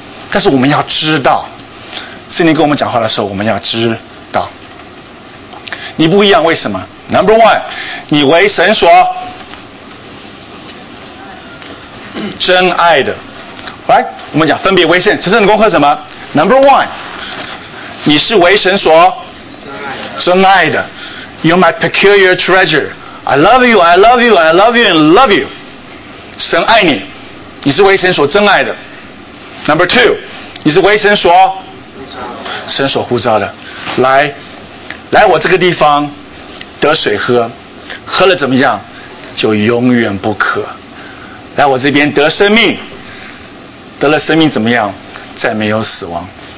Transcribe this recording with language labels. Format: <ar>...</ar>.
<zh>但是我们要知道，圣灵跟我们讲话的时候，我们要知道你不一样。为什么？</zh> <en>Number one，</en> <zh>你为神所真爱的。来，我们讲分别为圣，成圣的功课是什么？</zh> <en>Number one，</en> <zh>你是为神所真爱的。</zh> <en>You're my peculiar treasureI love you, I love you, I love you, and love you.</en> <zh>神爱你，你是为神所真爱的。</zh> <en>Number two，</en> <zh>你是为神所呼召的。来，来我这个地方得水喝，喝了怎么样？就永远不渴。来我这边得生命，得了生命怎么样？再没有死亡。</zh>